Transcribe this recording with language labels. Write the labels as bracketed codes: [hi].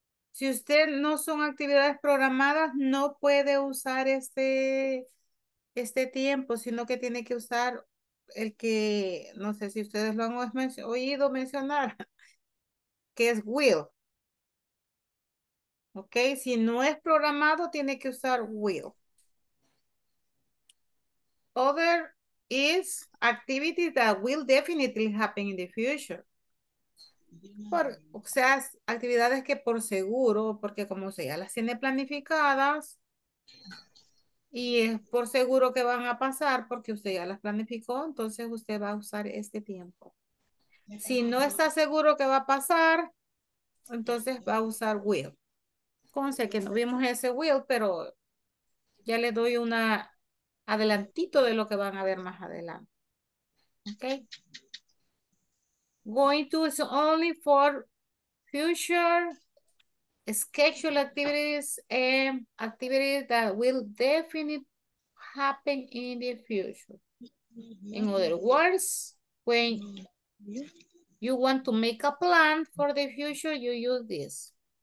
[es] Si usted no son actividades programadas, no puede usar este tiempo, sino que tiene que usar el que, no sé si ustedes lo han oído mencionar, que es will. Ok, si no es programado, tiene que usar will. [en] Other is activity that will definitely happen in the future. [es] O sea, actividades que por seguro, porque como se ya las tiene planificadas y es por seguro que van a pasar porque usted ya las planificó, entonces usted va a usar este tiempo. Si no está seguro que va a pasar, entonces va a usar will. Conste que no vimos ese will, pero ya le doy un adelantito de lo que van a ver más adelante. Ok. [en] Going to is only for future scheduled activities and activities that will definitely happen in the future. In other words, when you want to make a plan for the future, you use this.